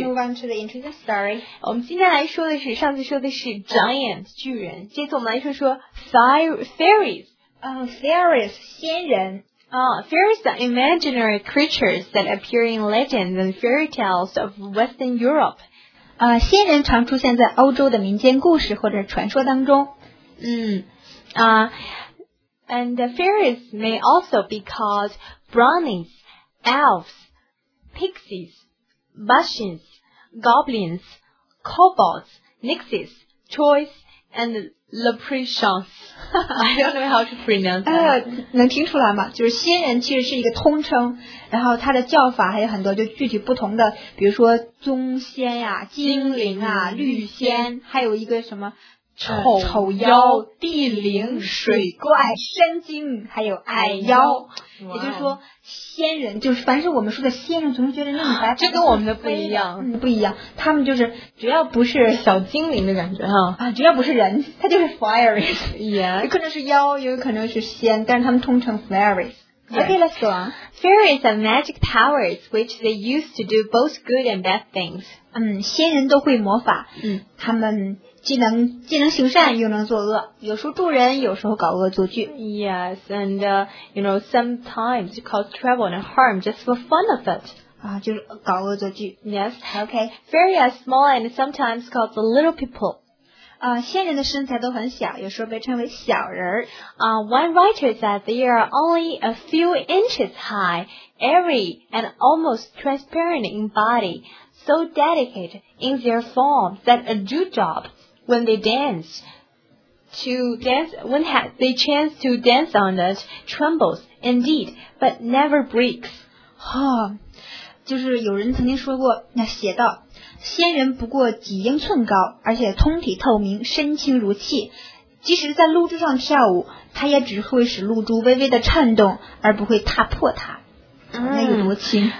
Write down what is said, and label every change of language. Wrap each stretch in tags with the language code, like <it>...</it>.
<en>Now let's move on to the interesting story.</en> <zh>我们今天来说的是，上次说的是 giant 巨人，这次我们来说 fairies. Fairies 仙人。</zh> <en>Fairies are imaginary creatures that appear in legends and fairy tales of Western Europe.</en> <zh>仙人常出现在欧洲的民间故事或者传说当中。</zh> <en>And fairies may also be called brownies, elves. Pixies, Bashins, Goblins, Kobolds, Nixies, Choice, and Leprechauns. I don't know how to pronounce that.</en> <zh>能听出来吗？就是仙人其实是一个通称，然后它的叫法还有很多，就具体不同的，比如说棕仙呀、精灵啊、绿仙，还有一个什么丑妖、地灵、水怪、山精，还有矮妖。</zh> <en>Wow.</en> <zh>也就是说仙人就是凡是我们说的仙人总是觉得那种白白这跟我们的不一样不一样他们就是只要不是小精灵的感觉哈只要不是人他就是 fairies</zh> <en>yeah.</en> <zh>也可能是妖也可能是仙但是他们通称 fairies</zh> <en>Yes. Okay, let's go on. Fairies have magic powers, which they use to do both good and bad things.</en> <zh>仙人都会魔法。他们既能行善，又能作恶，有时候助人，有时候搞恶作剧。</zh> <en>Yes, and you know, sometimes cause trouble and harm just for fun of it.</en> <zh>就是搞恶作剧。</zh> <en>Yes. Okay. Fairies are small and sometimes called the little people.</en> <zh>仙人的身材都很小，有时候被称为小人。</zh> <en>One writer said they are only a few inches high, airy, and almost transparent in body, so delicate in their form that a dewdrop, when they chance to dance on it, trembles indeed, but never breaks.</en> <zh>就是有人曾经说过，那写道，仙人不过几英寸高，而且通体透明，身轻如气，即使在露珠上跳舞，它也只会使露珠微微的颤动，而不会踏破它。那有多轻？</zh>